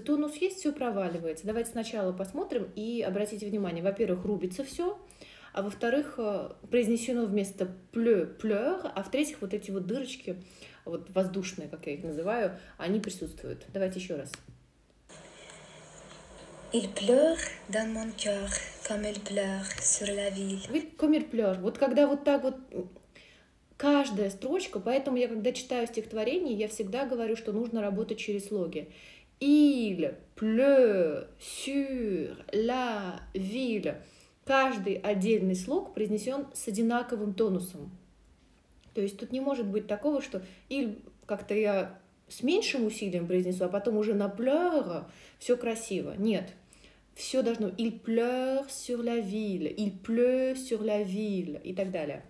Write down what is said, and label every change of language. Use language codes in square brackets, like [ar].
[ru] Тонус есть, все проваливается. Давайте сначала посмотрим и обратите внимание. Во-первых, рубится все, а во-вторых, произнесено вместо pleur, а в-третьих, вот эти вот дырочки, вот воздушные, как я их называю, они присутствуют. Давайте еще раз. [fr] Il pleure dans mon cœur, comme il pleure sur la ville. Comme il pleure. [ru] Вот когда вот так вот каждая строчка, поэтому я, когда читаю стихотворение, я всегда говорю, что нужно работать через слоги. [fr] Il pleut sur la ville. [ru] Каждый отдельный слог произнесен с одинаковым тонусом. То есть тут не может быть такого, что il как-то я с меньшим усилием произнесу, а потом уже на pleur все красиво. Нет, все должно [fr] il pleut sur la ville, [ru] il pleut sur la ville и так далее.